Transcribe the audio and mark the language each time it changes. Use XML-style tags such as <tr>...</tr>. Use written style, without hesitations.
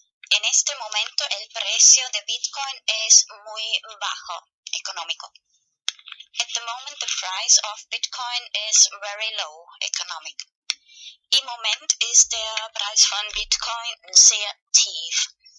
<es>En este momento el precio de Bitcoin es muy bajo, económico.</es> <en>At the moment the price of Bitcoin is very low, economic.</en> <de>Im Moment ist der Preis von Bitcoin sehr tief.</de>